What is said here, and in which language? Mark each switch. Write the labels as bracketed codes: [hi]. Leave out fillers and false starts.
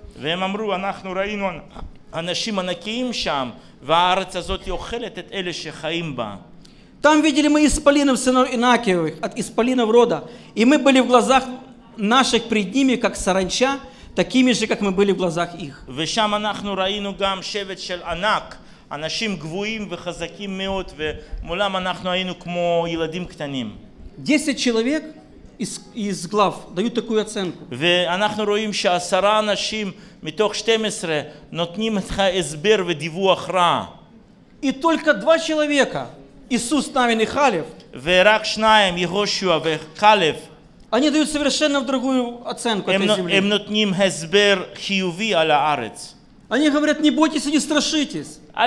[ru] Там видели мы исполинов сынов Инакиевых, от исполинов рода. И мы были в глазах наших пред ними, как саранча, такими же, как мы были в глазах их. [he] ושם אנחנו ראינו גם שבט של ענק, אנשים גבוהים וחזקים מאוד, ומולם אנחנו היינו כמו ילדים קטנים. [ru] 10 человек из глав дают такую оценку. [he] ואנחנו רואים שעשרה אנשים מתוך 12 נותנים את ההסבר ודיווח רע. [ru] И только 2 человека, Иисус Навин и Халев, [he] ורק 2, יהושע וחלב, [ru] они дают совершенно другую оценку этой земле. Они говорят, не бойтесь и не страшитесь.